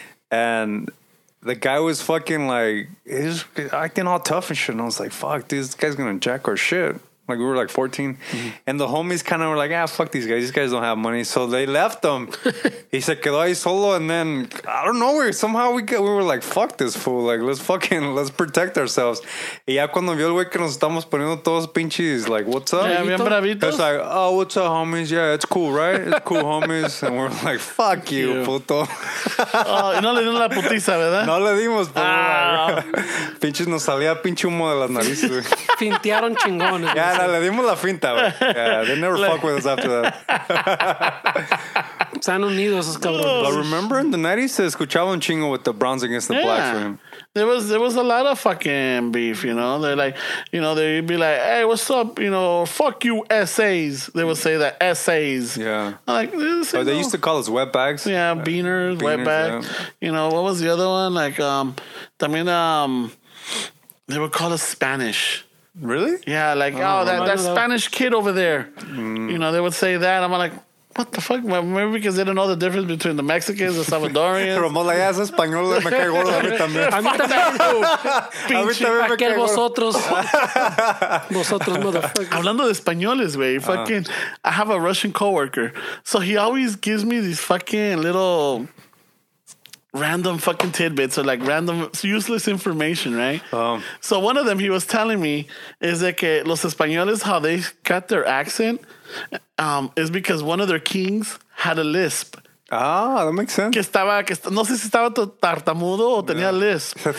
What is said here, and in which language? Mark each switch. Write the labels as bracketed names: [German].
[English] And the guy was fucking, like, he was acting all tough and shit. And I was like, fuck, dude, this guy's going to jack our shit. Like, we were, like, 14. Mm-hmm. And the homies kind of were like, ah, fuck these guys. These guys don't have money. So they left him. He said, [Spanish] quedó ahí solo. [English] And then, I don't know, we were like, fuck this fool. Like, let's protect ourselves. [Spanish] Y ya cuando vio el güey que nos estamos poniendo todos pinches, [English] like, what's up? [Spanish] Yeah, bien bravitos. [English] It's like, oh, what's up, homies? Yeah, it's cool, right? It's cool, homies. And we're like, fuck you, puto. [Spanish] No le dimos la putiza, ¿verdad? No le dimos, puto. Pinches nos salía pinche humo de las narices. Fintearon chingones. [English] Yeah. [Spanish] Le dimos la finta, [English] yeah, they never fuck with us after that. [Spanish] Están unidos esos cabrones. [English] But remember in the 90s, [Spanish] se escuchaba un chingo [English] with the Browns against the Blacks. There was a lot of fucking beef, you know. They're like, you know, they'd be like, hey, what's up? You know, fuck you, SAs. They would say that, SAs. Yeah. Like, they used to call us wetbacks. Yeah, beaners, wetbacks. Yeah. You know, what was the other one? Like, they would call us Spanish. Really? Yeah, like, that Spanish kid over there. Mm. You know, they would say that. I'm like, what the fuck? Maybe because they don't know the difference between the Mexicans and Salvadorians. [Spanish] Pero mola ya es español, me cae gordo a mí también. A mí también, pinche, aquel vosotros. Vosotros, motherfucker. Hablando de españoles, güey, [English] fucking, I have a Russian coworker. So he always gives me these fucking little random fucking tidbits or like random useless information, right? So one of them he was telling me is that [Spanish] los españoles, [English] how they cut their accent is because one of their kings had a lisp. Ah, that makes sense. [Spanish] No sé si estaba tartamudo o tenía lisp.